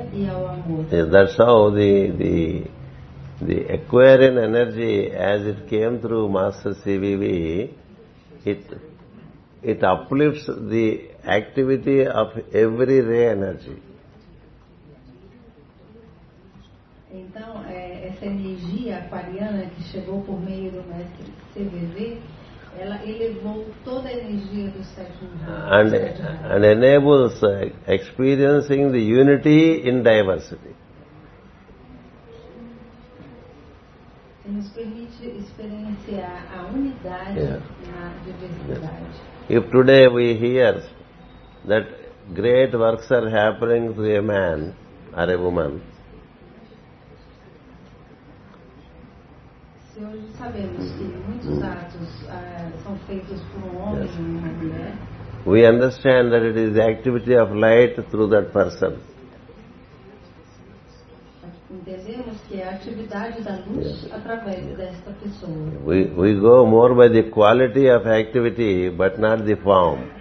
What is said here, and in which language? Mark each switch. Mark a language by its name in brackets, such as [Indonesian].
[English] That's how the Aquarian energy, as it came through Master CVV, it uplifts the activity of every ray energy. [Portuguese] Então, essa energia aquariana que chegou por meio do Mestre CVV, ela elevou toda a energia do sétimo [English] raio. And enables experiencing the unity in diversity. [Portuguese] E nos permite experienciar a unidade na diversidade. [English] If today we hear that great works are happening to a man or a woman, [Portuguese] hoje sabemos que muitos atos são feitos por um homem e uma mulher. [English] We understand that it is the activity of light through that person. [Portuguese] Entendemos que é a atividade da luz através desta pessoa. [English] We go more by the quality of activity, but not the form.